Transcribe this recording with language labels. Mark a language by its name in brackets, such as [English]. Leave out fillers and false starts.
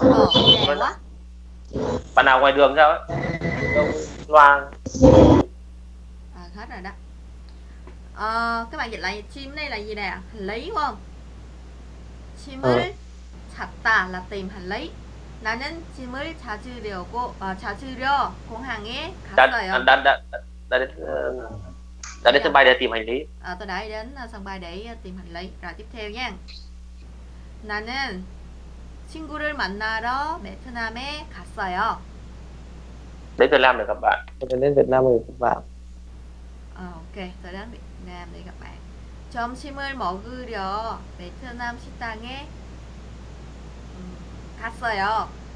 [Vietnamese] Dẻ quá. Bạn nào ngoài đường sao ấy? À, hết rồi đó. Các bạn dịch lại chim này là gì nè? Hành lý không? [Korean] 짐을 찾다 [Vietnamese] là tìm hành lý. [Korean] 나는 짐을 찾으려고 찾으려 공항에 갔어요. [Vietnamese] 나는 sân bay để tìm hành lý. Tôi đã đến sân bay để tìm hành lý. Rồi tiếp theo nha. [Korean] 나는 친구를 만나러 베트남에 갔어요. [Vietnamese] Đến Việt Nam để gặp bạn. Đến Việt Nam để gặp bạn. Ok, tôi đến Việt Nam để gặp bạn. [Korean] 점심을 먹으려 베트남 식당에 갔어요.